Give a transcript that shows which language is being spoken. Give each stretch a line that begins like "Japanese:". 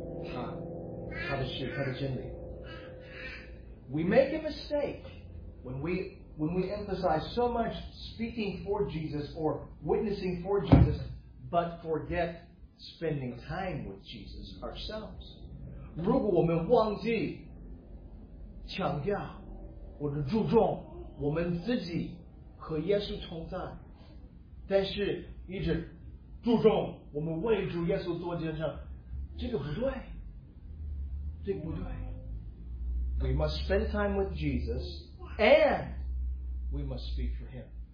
Chinese: 所以呢，主耶稣要他的使徒们先和他在一起，然后给别人讲解他的事，他的真理.
English: We make a mistake when we emphasize so much speaking for Jesus or witnessing for Jesus, but forget spending time with Jesus ourselves.
Chinese: 如果我们忘记 强调或者注重我们自己和耶稣同在，但是一直注重我们为主耶稣做见证，这个不对，这个不对。
English: We must spend time with Jesus, and we must speak for Him.